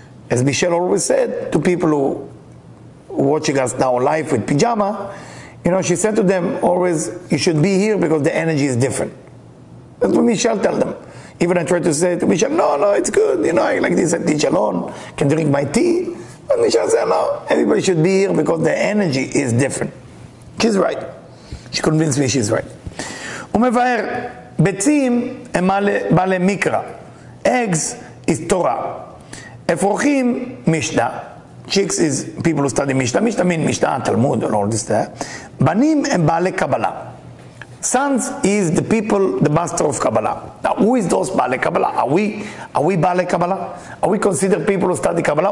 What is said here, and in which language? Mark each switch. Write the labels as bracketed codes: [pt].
[en] As Michelle always said to people who are watching us now live with pajama, you know, she said to them always, you should be here because the energy is different. That's what Michelle tell them. Even I try to say to Michelle, no, it's good. You know, I like this, I teach alone. Can drink my tea. And Michelle said, no, everybody should be here because the energy is different. She's right. She convinced me she's right. [he] ומבאר, ביצים הם בעלי מיקרא. [en] Eggs is Torah. אפרוחים, משנה. Chicks is people who study משנה. משנה means משנה, תלמוד, and all this there. [he] בנים הם בעלי קבלה. [en] Sons is the people, the master of Kabbalah. Now, who is those Baalei Kabbalah? Are we Baalei Kabbalah? Are we considered people who study Kabbalah?